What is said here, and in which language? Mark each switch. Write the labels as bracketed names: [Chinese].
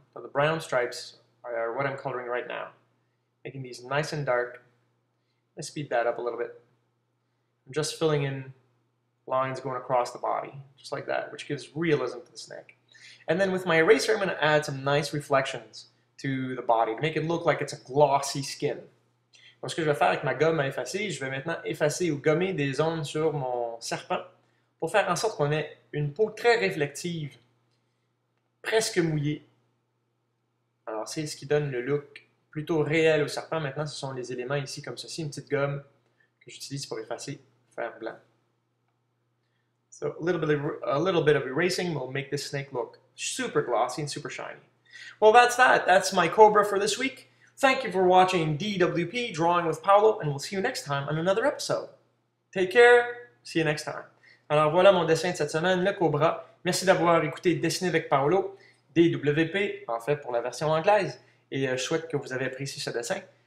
[English] So the brown stripes are what I'm coloring right now. Making these nice and dark. Let's speed that up a little bit. I'm just filling in lines going across the body, just like that, which gives realism to the snake. And then with my eraser, I'm going to add some nice reflections to the body to make it look like it's a glossy skin. [French] Ce que je vais faire avec ma gomme à effacer, je vais maintenant effacer ou gommer des zones sur mon serpent pour faire en sorte qu'on ait une peau très réflective, presque mouillée. Alors, c'est ce qui donne le look plutôt réel au serpent. Maintenant, ce sont les éléments ici comme ceci, une petite gomme que j'utilise pour effacer, faire blanc. [English] So, a little bit of erasing will make this snake look super glossy and super shiny. Well, that's that. That's my cobra for this week. Thank you for watching DWP, Drawing with Paolo, and we'll see you next time on another episode. Take care, see you next time. [French] Alors voilà mon dessin de cette semaine, le cobra. Merci d'avoir écouté Dessiner avec Paolo, DWP, en fait pour la version anglaise. Et je souhaite que vous avez apprécié ce dessin.